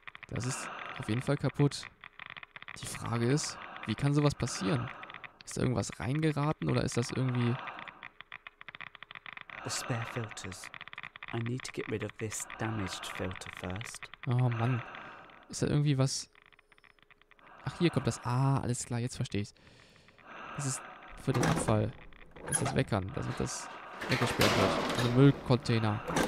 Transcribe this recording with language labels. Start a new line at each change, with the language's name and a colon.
German: Das ist auf jeden Fall kaputt. Die Frage ist, wie kann sowas passieren? Ist da irgendwas reingeraten oder ist das irgendwie...
English: The spare filters. I need to get rid of this damaged filter first.
German: Oh Mann. Ist da irgendwie was... Ach, hier kommt das. Ah, alles klar, jetzt verstehe ich's. Das ist für den Abfall. Das ist das Weckern, damit das weggesperrt wird. Also Müllcontainer.